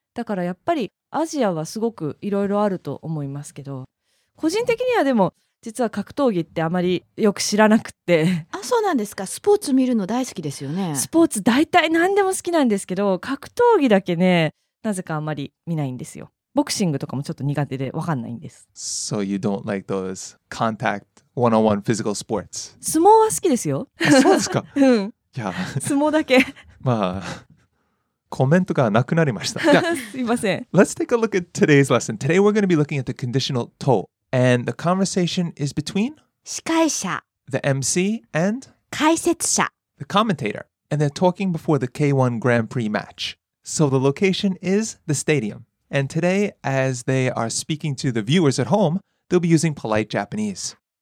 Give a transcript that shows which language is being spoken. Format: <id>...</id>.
<ja>だからやっぱりアジアはすごくいろいろあると思いますけど、個人的にはでも実は格闘技ってあまりよく知らなくて。あ、そうなんですか。スポーツ見るの大好きですよね。スポーツ大体何でも好きなんですけど、格闘技だけね、なぜかあまり見ないんですよ。ボクシングとかもちょっと苦手で分かんないんです。</ja> <en>So you don't like those contact one-on-one physical sports?</en> <ja>相撲は好きですよ。そうですか。うん、いや、相撲だけ。まあ、コメントがなくなりました。すいません。</ja> <en>Let's take a look at today's lesson. Today we're going to be looking at the conditional to, and the conversation is between</en> <ja>司会者</ja> <en>the MC and</en> <ja>解説者</ja> <en>the commentator, and they're talking before the K1 Grand Prix matchSo the location is the stadium. And today, as they are speaking to the viewers at home, they'll be using polite Japanese.</en>